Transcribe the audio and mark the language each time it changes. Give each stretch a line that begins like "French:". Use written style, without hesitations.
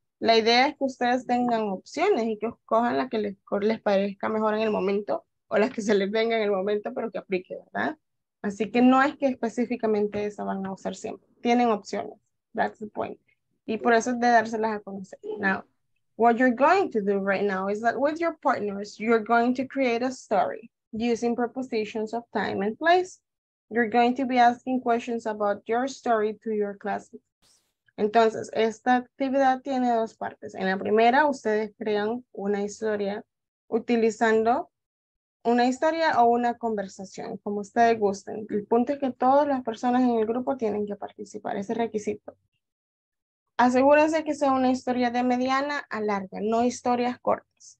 Spanish: La idea es que ustedes tengan opciones y que escojan las que les parezca mejor en el momento, o las que se les venga en el momento, pero que aplique, ¿verdad? Así que no es que específicamente esa van a usar siempre. Tienen opciones.
English: That's the point.
Spanish: Y por eso es de dárselas a conocer.
English: Now, what you're going to do right now is that with your partners, you're going to create a story using prepositions of time and place. You're going to be asking questions about your story to your classmates.
Spanish: Entonces, esta actividad tiene dos partes. En la primera, ustedes crean una historia utilizando una historia o una conversación, como ustedes gusten. El punto es que todas las personas en el grupo tienen que participar, ese requisito. Asegúrense que sea una historia de mediana a larga, no historias cortas.